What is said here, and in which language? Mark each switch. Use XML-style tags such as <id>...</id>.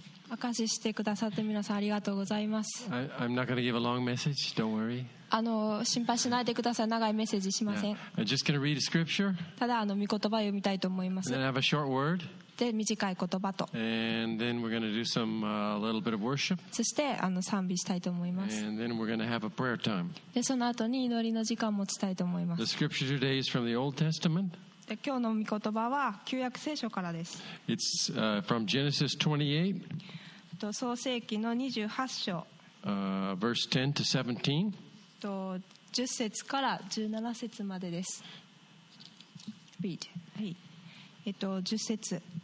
<ja>明かししてくださって皆さんありがとうございます。</ja> <en>I'm not going to give a long message, don't worry.</en> <ja>心配しないでください。長いメッセージしません。</ja> <en>Yeah. I'm just going to read a scripture.</en> <ja>ただ御言葉を読みたいと思います。</ja> <en>And then I have a short word.</en> <ja>で、短い言葉と。</ja> <en>And then we're going to do some, little bit of worship.</en> <ja>そして賛美したいと思います。</ja> <en>And then we're going to have a prayer time.</en> <ja>で、その後に祈りの時間を持ちたいと思います。</ja> <en>The scripture today is from the Old Testament.</en> <ja>今日の御言葉は旧約聖書からです。</ja> <en>It's from Genesis 28.</en> <ja>創世記の28章。</ja> <en>Verse 10 to 17.</en> <ja>10節から17節までです。</ja> <en>Read.</en> <ja>はい。10節。</ja>